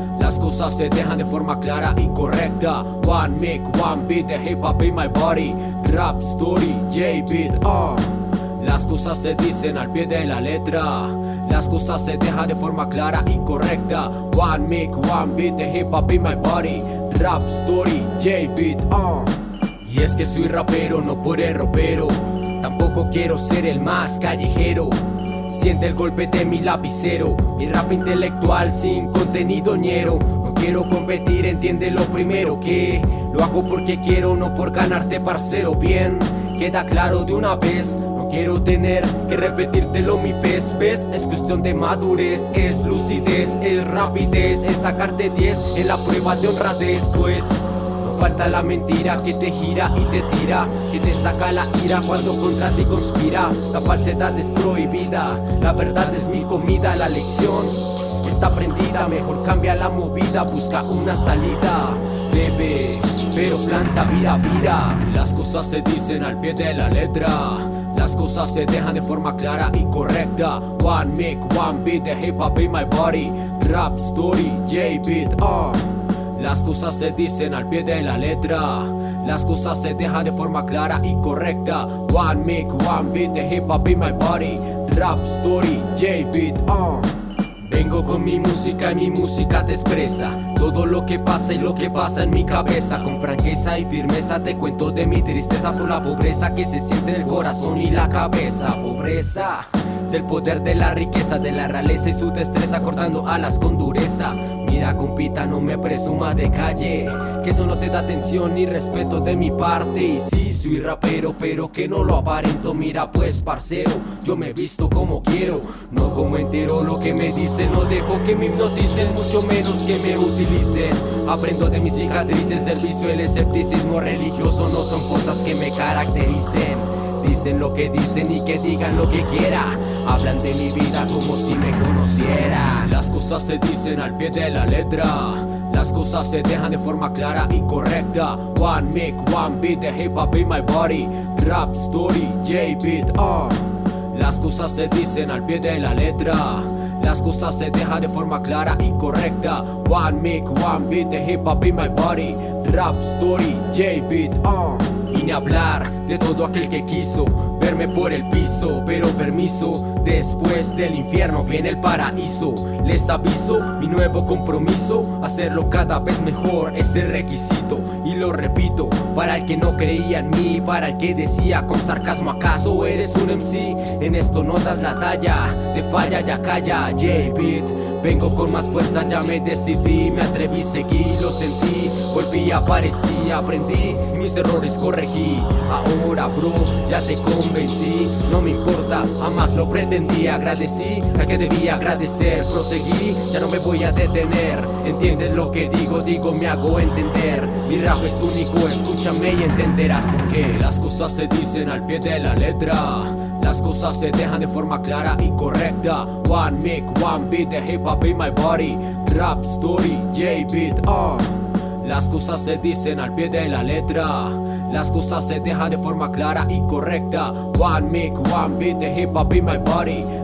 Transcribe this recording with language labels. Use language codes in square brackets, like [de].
[es] Las cosas se dejan de forma clara y correcta. [en] One mic, one beat, the hip hop in my body. [es] Rap story, Yeivid, Las cosas se dicen al pie de la letra. Las cosas se dejan de forma clara y correcta. [en] One mic, one beat, the hip hop in my body. [es] Rap story, Yeivid, Y es que soy rapero, no por el ropero. Tampoco quiero ser el más callejero. Siente el golpe de mi lapicero. Mi rap intelectual sin contenido ñero. No quiero competir, entiende lo primero que lo hago porque quiero, no por ganarte, parcero. Bien, queda claro de una vez. No quiero tener que repetírtelo mi pez. ¿Ves? Es cuestión de madurez, es lucidez, es rapidez, es sacarte 10 en la prueba de honradez. Pues no falta la mentira que te gira y te tira, que te saca la ira cuando contra ti conspira. La falsedad es prohibida, la verdad es mi comida. La lección está aprendida, mejor cambia la movida. Busca una salida, bebé, pero planta vida, vida. Las cosas se dicen al pie de la letra. Las cosas se dejan de forma clara y correcta. [en] One mic, one beat, the hip hop in my body. [es] Rap story, Yeivid, Las cosas se dicen al pie de la letra. Las cosas se dejan de forma clara y correcta. [en] One mic, one beat, the hip hop in my body. [es] Rap story, Yeivid, Vengo con mi música y mi música te expresa todo lo que pasa y lo que pasa en mi cabeza. Con franqueza y firmeza te cuento de mi tristeza por la pobreza que se siente en el corazón y la cabeza. Pobreza del poder de la riqueza, de la realeza y su destreza, cortando alas con dureza. Mira compita, no me presuma de calle, que eso no te da atención ni respeto de mi parte. Y sí, soy rapero, pero que no lo aparento. Mira pues parcero, yo me visto como quiero, no como entero. Lo que me dicen, no dejo que me hipnoticen, mucho menos que me utilicen. Aprendo de mis cicatrices, el vicio, el escepticismo religioso no son cosas que me caractericen. Dicen lo que dicen y que digan lo que quiera. Hablan de mi vida como si me conocieran. Las cosas se dicen al pie de la letra. Las cosas se dejan de forma clara y correcta. [en] One mic, one beat, the hip hop in my body. [es] Rap story, Yeivid, Las cosas se dicen al pie de la letra. Las cosas se dejan de forma clara y correcta. [en] One mic, one beat, the hip hop in my body. [es] Rap story, Yeivid, Vine a hablar de todo aquel que quiso verme por el piso, pero permiso, después del infierno viene el paraíso. Les aviso, mi nuevo compromiso, hacerlo cada vez mejor es el requisito. Y lo repito, para el que no creía en mí, para el que decía con sarcasmo, ¿acaso eres un MC? En esto no das la talla, te falla, ya calla, Yeivid. Vengo con más fuerza, ya me decidí, me atreví, seguí, lo sentí, volví, aparecí, aprendí, mis errores corregí. Ahora bro, ya te convencí, no me importa, jamás lo pretendí. Agradecí al que debía agradecer, proseguí, ya no me voy a detener. ¿Entiendes lo que digo? Digo, me hago entender. Mi rap es único, escúchame y entenderás por qué. Las cosas se dicen al pie de la letra. Las cosas se dejan de forma clara y correcta. [en] One mic, one beat, the hip hop in my body. [es] Rap story, Yeivid, Las cosas se dicen al pie de la letra. Las cosas se dejan de forma clara y correcta. [en] One mic, one beat, the hip hop in my body.